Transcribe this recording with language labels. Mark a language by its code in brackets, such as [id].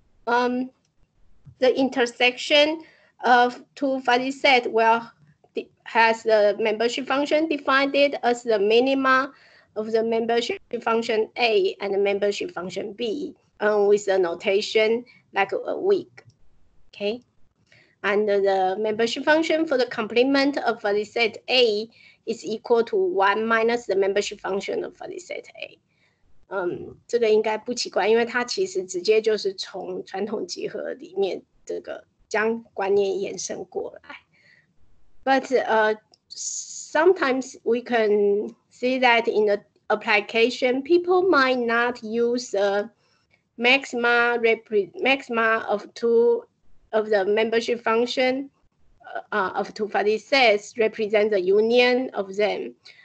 [en] The intersection of two fuzzy sets will has the membership function defined it as the minima of the membership function A and the membership function B with a notation like a week. Okay. And the membership function for the complement of fuzzy set A is equal to 1 minus the membership function of fuzzy set A. [zh] 这个应该不奇怪，因为它其实直接就是从传统集合里面这个将观念延伸过来。 [en] But sometimes we can see that in the application, people might not use a maxima of two of the membership function of two fuzzy sets represent the union of them.